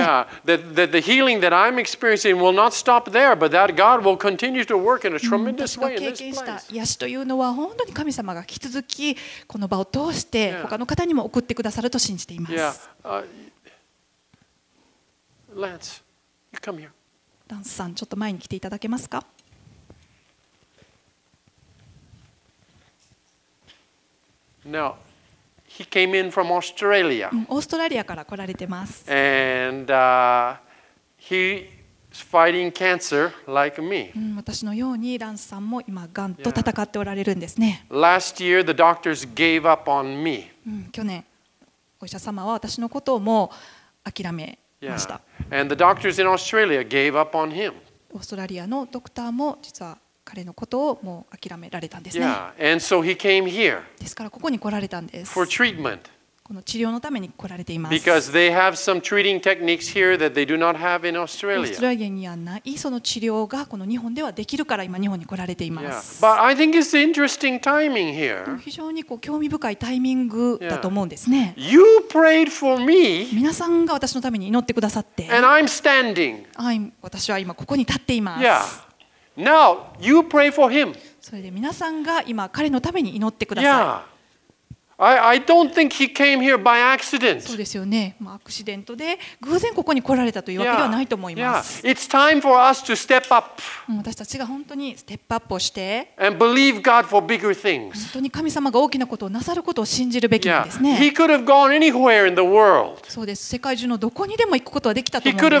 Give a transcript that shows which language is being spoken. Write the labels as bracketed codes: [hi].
[en] Yeah, the healing that I'm experiencing will not stop there, but that God will continue to work in a tremendous way in this place. [ja] 私が経験した癒しというのは本当に神様が引き続きこの場を通して他の方にも送ってくださると信じています。 [en] Lance, you come here. [ja] Lance さん、ちょっと前に来ていただけますか。 [en] Now. He came in from Australia. [ja] オーストラリアから来られてます。 [en] And, uh, He's fighting cancer like me. [ja] 私のようにランスさんも今がんと戦っておられるんですね。 [en] Last year, the doctors gave up on me. [ja] 去年、お医者様は私のことをもう諦めました。 [en] And the doctors in Australia gave up on him. [ja] オーストラリアのドクターも実は彼のことをもう諦められたんですね。 [en] Yeah. And so he came here. [ja] ですからここに来られたんです。 [en] For treatment. [ja] この治療のために来られています。 [en] Because they have some treating techniques here that they do not have in Australia. [ja] オーストラリアにはないその治療がこの日本ではできるから今日本に来られています。 [en] Yeah. But I think it's interesting timing here. [ja] 非常にこう興味深いタイミングだと思うんですね。 [en] Yeah. You prayed for me. [ja] 皆さんが私のために祈ってくださって。 [en] And I'm standing. [ja] 私は今ここに立っています。 [en] Yeah. Now you pray for him. [ja] それで皆さんが今彼のために祈ってください。 [en] Yeah. I don't think he came here by accident. [ja] そうですよね。まあ、アクシデントで偶然ここに来られたというわけではないと思います。 [en] Yeah. It's time for us to step up. [ja] 私たちが本当にステップアップをして、 [en] and believe God for bigger things. [ja] 本当に神様が大きなことをなさることを信じるべきですね。 [en] Yeah. He could have gone anywhere in the world. [ja] そうです。世界中のどこにでも行くことはできたと思います。